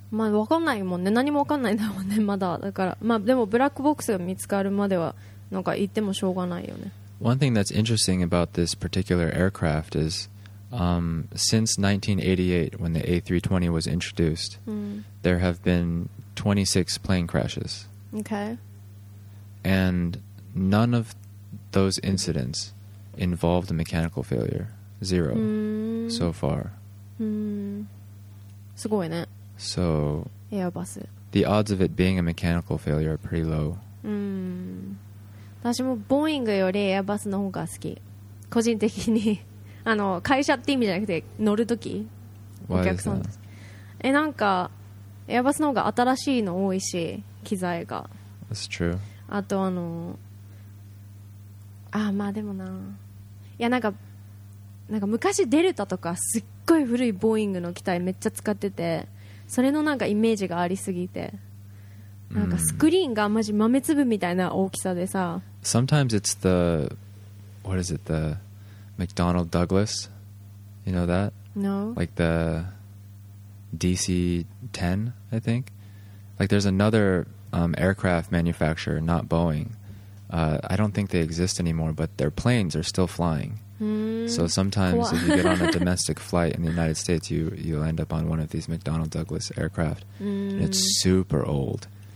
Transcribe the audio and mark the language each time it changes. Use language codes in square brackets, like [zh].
[ja] まあ分かんないもんね。何も分かんないんだもんね。まだだから。まあでもブラックボックスが見つかるまではなんか言ってもしょうがないよね。 [en] One thing that's interesting about this particular aircraft is. Since 1988, when the A320 was introduced,、there have been 26 plane crashes. Okay. And none of those incidents involved a mechanical failure. Zero.、So far. [ja] すごいね。 [en] So, Airbus. The odds of it being a mechanical failure are pretty low. [ja] 私も Boeing より Airbus の方が好き。個人的に。あの会社って意味じゃなくて乗るときお客さんえなんかエアバスの方が新しいの多いし機材が [en] That's true. [ja] あとあのあまあでもないやなんか昔デルタとかすっごい古いボーイングの機体めっちゃ使っててそれのなんかイメージがありすぎてなんかスクリーンがマジ豆粒みたいな大きさでさ [en] Sometimes it's the what is it the McDonnell Douglas, you know that? No. Like the DC-10, I think. Like there's another、aircraft manufacturer, not Boeing.、I don't think they exist anymore, but their planes are still flying.、So sometimes if you get on a domestic flight in the United States, you'll end up on one of these McDonnell Douglas aircraft.、And it's super old.